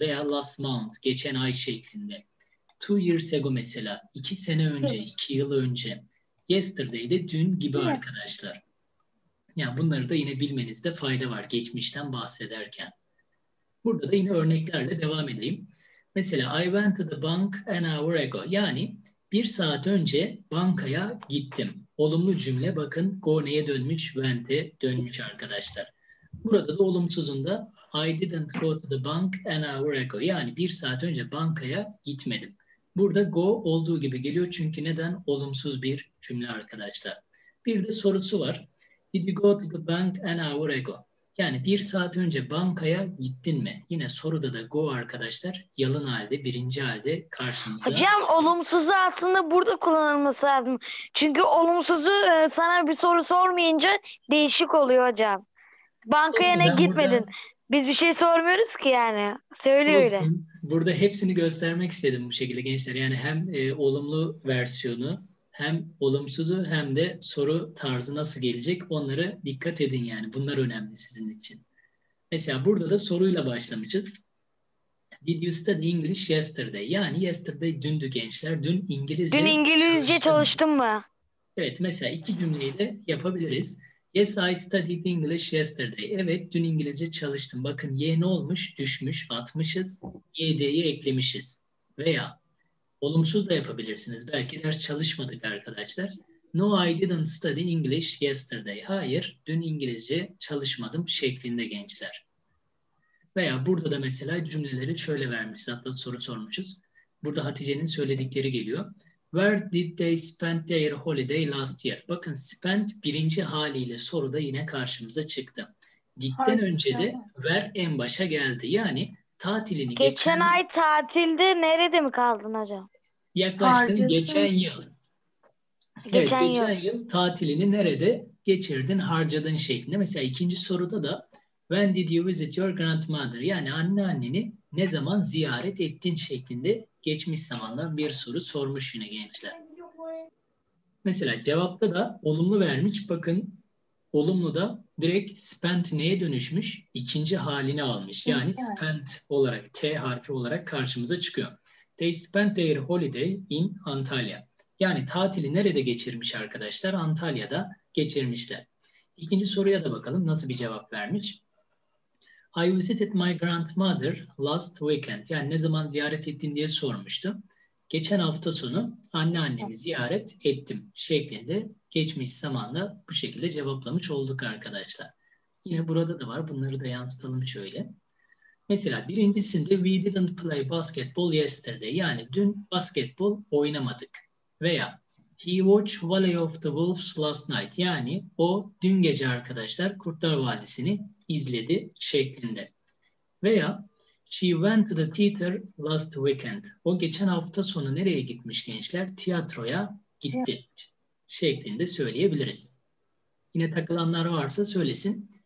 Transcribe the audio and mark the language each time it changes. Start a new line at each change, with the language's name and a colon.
Turkish: Veya
English: last month,
Turkish: geçen ay şeklinde.
English: 2 years ago
Turkish: mesela, 2 sene önce, 2 yıl önce. Yesterday de dün gibi arkadaşlar. Yani bunları da yine bilmenizde fayda var geçmişten bahsederken. Burada da yine örneklerle devam edeyim. Mesela
English: I went to the bank an hour ago.
Turkish: Yani bir saat önce bankaya gittim. Olumlu cümle, bakın go neye dönmüş, went'e dönmüş arkadaşlar. Burada da olumsuzunda
English: I didn't go to the bank an hour ago.
Turkish: Yani bir saat önce bankaya gitmedim. Burada go olduğu gibi geliyor çünkü neden? Olumsuz bir cümle arkadaşlar. Bir de sorusu var.
English: Did you go to the bank an hour ago?
Turkish: Yani bir saat önce bankaya gittin mi? Yine soruda da go arkadaşlar yalın halde, birinci halde karşınıza. Hocam olumsuzu aslında burada kullanılması lazım. Çünkü olumsuzu sana bir soru sormayınca değişik oluyor hocam. Bankaya olsun, ne gitmedin? Burada, biz bir şey sormuyoruz ki yani. Söylüyor öyle. Burada hepsini göstermek istedim bu şekilde gençler. Yani hem olumlu versiyonu, hem olumsuzu hem de soru tarzı nasıl gelecek, onları dikkat edin yani. Bunlar önemli sizin için. Mesela burada da soruyla başlamışız.
English: Did you study English yesterday?
Turkish: Yani yesterday dündü gençler. Dün İngilizce çalıştın. Dün İngilizce çalıştın mı? Evet, mesela iki cümleyi de yapabiliriz.
English: Yes, I studied English yesterday.
Turkish: Evet, dün İngilizce çalıştım. Bakın ye ne olmuş? Düşmüş, atmışız. Y'de'yi eklemişiz. Veya olumsuz da yapabilirsiniz. Belki ders çalışmadık arkadaşlar.
English: No, I didn't study English yesterday.
Turkish: Hayır, dün İngilizce çalışmadım şeklinde gençler. Veya burada da mesela cümleleri şöyle vermişiz. Hatta soru sormuşuz. Burada Hatice'nin söyledikleri geliyor.
English: Where did they spend their holiday last year?
Turkish: Bakın spent birinci haliyle soruda yine karşımıza çıktı. Did'den önce de where en başa geldi. Yani tatilini geçen ay tatilde nerede mi kaldın hocam? Yaklaştın geçen yıl. Evet, geçen yıl tatilini nerede geçirdin, harcadın şeklinde. Mesela ikinci soruda da
English: when did you visit your grandmother?
Turkish: Yani anneanneni ne zaman ziyaret ettin şeklinde geçmiş zamandan bir soru sormuş yine gençler. Mesela cevapta da olumlu vermiş. Bakın olumlu da direkt spent neye dönüşmüş? İkinci halini almış. Yani evet. Spent olarak, T harfi olarak karşımıza çıkıyor.
English: They spent their holiday in Antalya.
Turkish: Yani tatili nerede geçirmiş arkadaşlar? Antalya'da geçirmişler. İkinci soruya da bakalım nasıl bir cevap vermiş.
English: I visited my grandmother last weekend.
Turkish: Yani ne zaman ziyaret ettin diye sormuştum. Geçen hafta sonu anneannemi ziyaret ettim şeklinde geçmiş zamanla bu şekilde cevaplamış olduk arkadaşlar. Yine burada da var. Bunları da yansıtalım şöyle. Mesela birincisinde
English: we didn't play basketball yesterday.
Turkish: Yani dün basketbol oynamadık. Veya
English: he watched Valley of the Wolves last night.
Turkish: Yani o dün gece arkadaşlar Kurtlar Vadisi'ni izledi şeklinde. Veya
English: she went to the theater last weekend.
Turkish: O geçen hafta sonu nereye gitmiş gençler? Tiyatroya gitti. Evet. Şeklinde söyleyebiliriz. Yine takılanlar varsa söylesin.